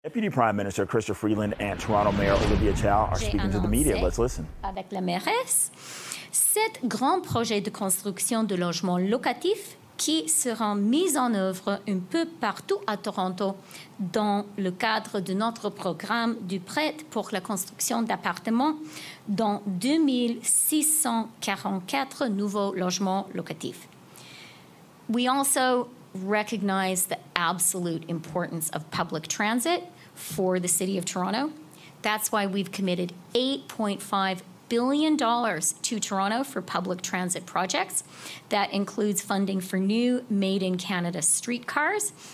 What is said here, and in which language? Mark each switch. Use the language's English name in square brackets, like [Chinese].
[English] Deputy Prime Minister Chrystia Freeland and Toronto Mayor Olivia Chow are speaking to the media. Let's listen. [French] Avec la mairesse, cet grand projet de construction de logements locatifs qui sera mis en œuvre un peu partout à Toronto dans le cadre de notre programme du prêt pour la construction d'appartements dans 2644 nouveaux logements locatifs. [English] We also recognize the absolute importance of public transit for the City of Toronto. That's why we've committed $8.5 billion to Toronto for public transit projects. That includes funding for new Made in Canada streetcars.